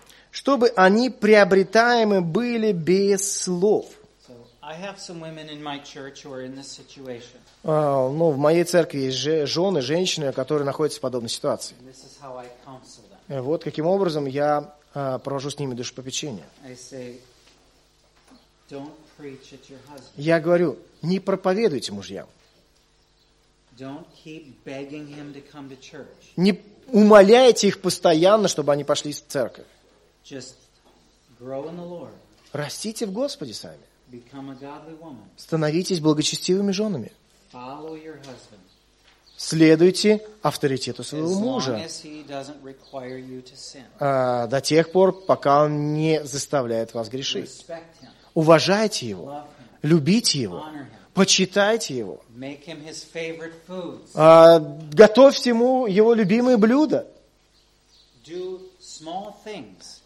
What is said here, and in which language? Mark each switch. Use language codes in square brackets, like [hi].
[ru] Чтобы они приобретаемы были без слов. [en] I have some women in my church who are in this situation. [ru] Ну, в моей церкви есть жены, женщины, которые находятся в подобной ситуации. [en] This is how I counsel them. [ru] Вот каким образом я провожу с ними душепопечение. [en] I say, don't preach at your husband. [ru] Я говорю, не проповедуйте мужьям. [en] Don't keep begging him to come to church. [ru] Не умоляйте их постоянно, чтобы они пошли в церковь. [en] Just grow in the Lord. [ru] Растите в Господе сами. [en] Become a godly woman. [ru] Становитесь благочестивыми женами. [en] Follow your husband. [ru] Следуйте авторитету своего мужа. [en] As long as he doesn't require you to sin. [ru] До тех пор, пока он не заставляет вас грешить. [en] Respect him. [ru] Уважайте его. [en] Love him. [ru] Любите его. [en] Honor him. [ru] Почитайте его. [en] Make him his favorite foods. [ru] Готовьте ему его любимые блюда. [en] Do small things.